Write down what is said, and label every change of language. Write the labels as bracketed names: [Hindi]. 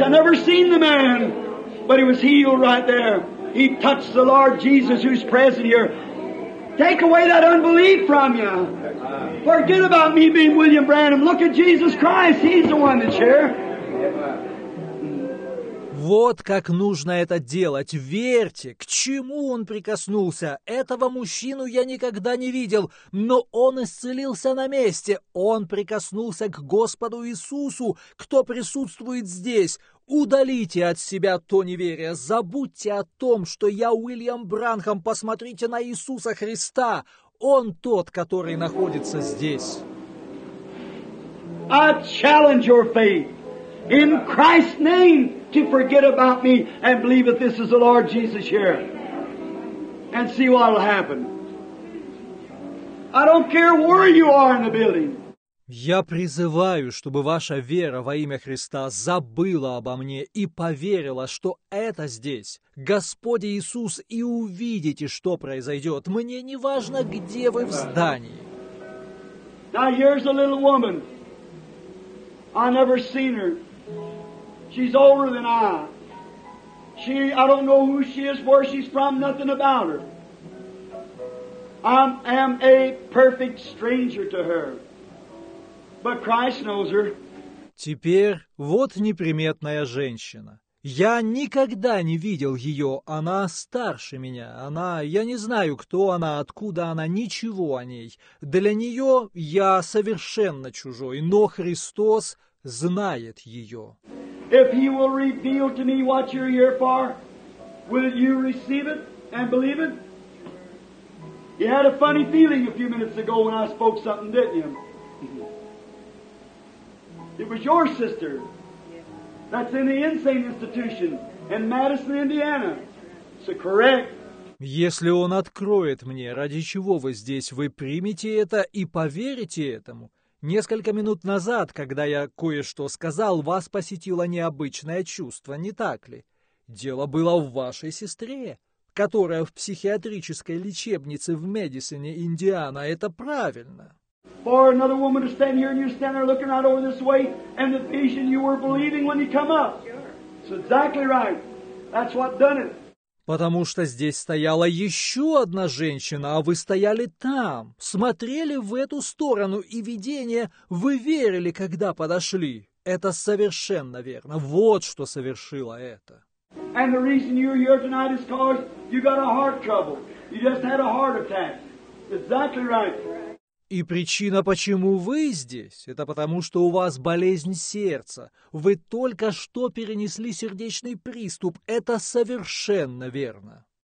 [English] I never seen the man, but he was healed right there. He touched the Lord Jesus who's present here. Take away that unbelief from you. Forget about me being William Branham. Look at Jesus Christ. He's the one that's here. [Russian] Вот как нужно это делать. Верьте, к чему он прикоснулся. Этого мужчину я никогда не видел, но он исцелился на месте. Он прикоснулся к Господу Иисусу, кто присутствует здесь. Удалите от себя то неверие. Забудьте о том, что я Уильям Бранхам. Посмотрите на Иисуса Христа. Он тот, который находится здесь. [English] I challenge your faith in Christ's name to forget about me and believe that this is the Lord Jesus here. And see what will happen. I don't care where you are in the building. [Russian] Я призываю, чтобы ваша вера во имя Христа забыла обо мне и поверила, что это здесь, Господь Иисус, и увидите, что произойдет. Мне не важно, где вы в здании. [English] Now here's a little woman. I never seen her. She's older than I. I don't know who she is, where she's from, nothing about her. I am a perfect stranger to her. But Christ knows her. [Russian] Теперь вот неприметная женщина. Я никогда не видел ее. Она старше меня. Я не знаю, кто она, откуда она, ничего о ней. Для нее я совершенно чужой, но Христос знает ее. [English] If he will reveal to me what you're here for, will you receive it and believe it? You had a funny feeling a few minutes ago when I spoke something, didn't you? It was your sister that's in the insane institution in Madison, Indiana. So correct. [Russian] Если он откроет мне, ради чего вы здесь, вы примете это и поверите этому. Несколько минут назад, когда я кое-что сказал, вас посетило необычное чувство, не так ли? Дело было в вашей сестре, которая в психиатрической лечебнице в Мэдисоне, Индиана. Это правильно. [English] For another woman to stand here and you stand there looking out over this way and the vision you were believing when you come up. It's exactly right. That's what done it. [Russian] Потому что здесь стояла еще одна женщина, а вы стояли там, смотрели в эту сторону и видение, вы верили, когда подошли. Это совершенно верно. Вот что совершило это. [English] And the reason you're here tonight is because you got a heart trouble. You just had a heart attack. Exactly right. [Russian] И причина, почему вы здесь, это потому, что у вас болезнь сердца. Вы только что перенесли сердечный приступ. Это совершенно верно.